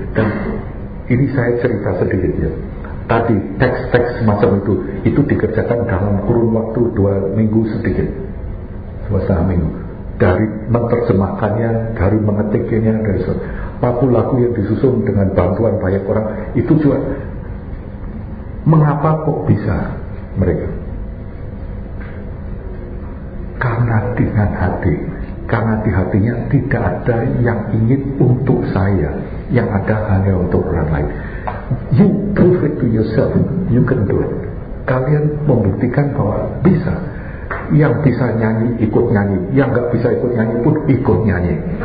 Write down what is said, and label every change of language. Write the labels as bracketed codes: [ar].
[id] Dan ini saya cerita sedikit ya, tadi teks-teks semacam itu dikerjakan dalam kurun waktu 2 minggu sedikit semasa minggu dari menerjemahkannya, dari mengetiknya, dari paku lagu yang disusun dengan bantuan banyak orang itu juga. Mengapa kok bisa mereka? Karena dengan hati, karena di hatinya tidak ada yang ingin untuk saya, yang ada hanya untuk orang lain. [en] You prove it to yourself, you can do it. [id] Kalian membuktikan bahwa bisa. Yang bisa nyanyi ikut nyanyi, yang enggak bisa ikut nyanyi pun ikut nyanyi.